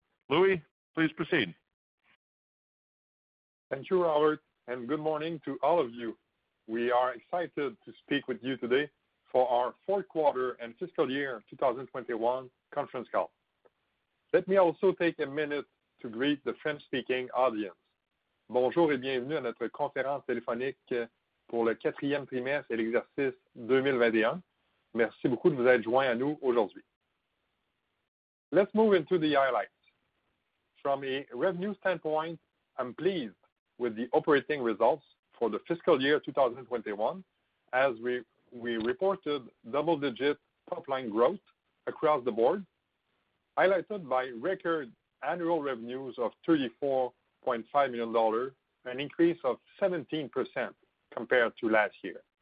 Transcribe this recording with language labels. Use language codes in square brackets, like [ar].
[en] Louis, please proceed. Thank you, Robert, and good morning to all of you. We are excited to speak with you today for our fourth quarter and fiscal year 2021 conference call. Let me also take a minute to greet the French-speaking audience. [fr] Bonjour et bienvenue à notre conférence téléphonique pour le quatrième trimestre et l'exercice 2021. Merci beaucoup de vous être joints à nous aujourd'hui. [en] Let's move into the highlights. From a revenue standpoint, I'm pleased with the operating results for the fiscal year 2021 as we reported double-digit top-line growth across the board, highlighted by record annual revenues of $34.5 million, an increase of 17% compared to last year.